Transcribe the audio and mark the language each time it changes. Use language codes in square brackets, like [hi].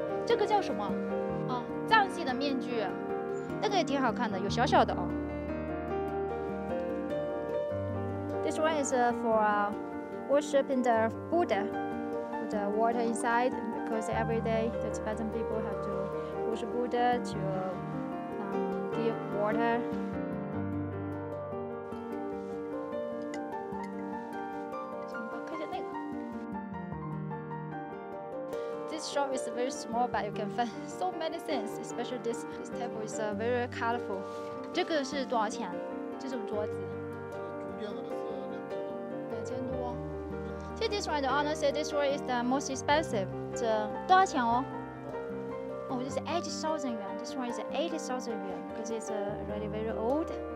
[zh] 这个叫什么？哦，藏戏的面具，那个也挺好看的，有小小的哦。 [en] This one is for worshiping the Buddha, with the water inside, because every day the Tibetan people have to worship Buddha to give water. This shop is very small, but you can find so many things. Especially this table is very colorful. [zh] 这个是多少钱？这种桌子？中间的是两千多。两千多。 [en] See this one? The owner said this one is the most expensive. [zh] 这多少钱哦？ [en] Oh, this is 80,000 yuan. This one is 80,000 yuan because it's really very old.